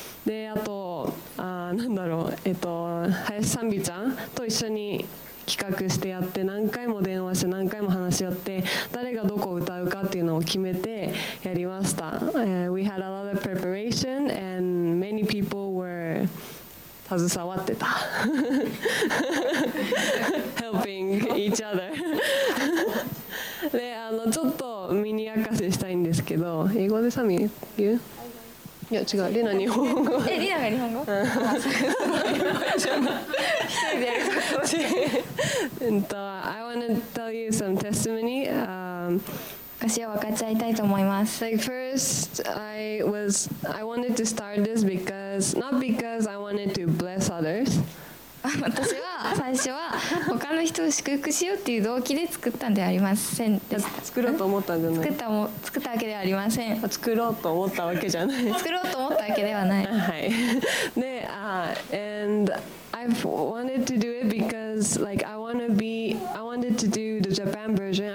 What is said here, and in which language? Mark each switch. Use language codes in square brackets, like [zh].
[ja] であと林さんびちゃんと一緒に企画してやって、何回も電話して何回も話し合って誰がどこを歌うかっていうのを決めてやりました。 [en] We had a lot of preparation and many people were [ja] 携わってた。 [en] Helping each other。 [ja] で、ちょっとミニ明かせしたいんですけど、英語でサミ言う？いや違う、リナ日本語。え、リナが日本語？うん。一人でやる。 [en] I want to tell you some testimony. [ja] 私は分かち合いたいと思います。 [en] Like first, I wanted to start this because not because I wanted to bless others. [ja] 私は最初は他の人を祝福しようっていう動機で作ったんではありませんでした。作ろうと思ったんじゃない。作ったわけではありません。作ろうと思ったわけじゃない。作ろうと思ったわけではない。はい。 [en] で、and I wanted to do it because like I wanted to do the Japan version.